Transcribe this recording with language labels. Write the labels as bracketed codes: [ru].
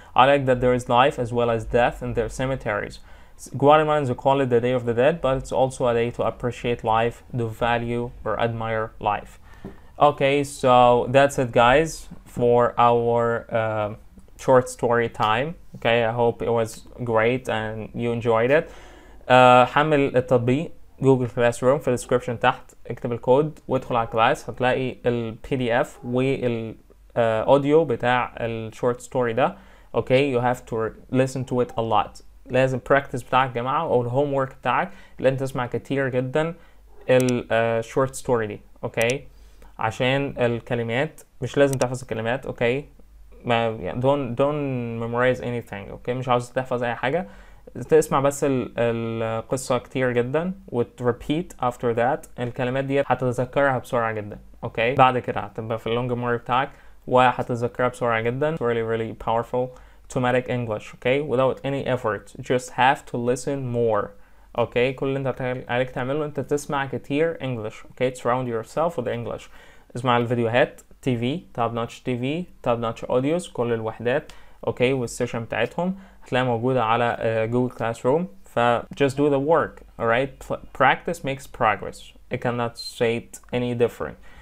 [en] I like that there is life as well as death in their cemeteries. Guatemalans call it the Day of the Dead, but it's also a day to appreciate life, to value or admire life. Okay, so that's it, guys, for our short story time. Okay, I hope it was great and you enjoyed it. [ar] حمل التطبيق جوجل كلاس روم في الديسكربشن تحت، اكتب الكود وادخل على الكلاس، هتلاقي البي دي اف والاوديو بتاع الشورت ستوري ده. اوكي، [en] You have to listen to it a lot. [ar] لازم براكتس بتاعك يا جماعه او الهوم ورك بتاعك اللي انت تسمع كتير جدا الشورت ستوري دي. اوكي، عشان الكلمات مش لازم تحفظ الكلمات. اوكي، ما يعني [en] don't memorize anything. [ar] اوكي، مش عاوز تحفظ اي حاجه، تسمع بس القصة كتير جدا وتريبيت [en] after that. [ar] الكلمات دي هتتذكرها بسرعة جدا. اوكي، بعد كده هتبقى في اللونج ميموري بتاعك وهتتذكرها بسرعة جدا. [en] It's really really powerful automatic English. Okay, without any effort, just have to listen more. [ar] اوكي، كل اللي انت عليك تعمله انت تسمع كتير English. [en] Okay, surround yourself with English. [ar] اسمع الفيديوهات [en] TV, top notch TV, top notch audios, [ar] كل الوحدات. اوكي، والسيشن بتاعتهم هتلاقي موجودة على جوجل كلاس روم. [en] ف just do the work. alright, practice makes progress. I cannot say it any different.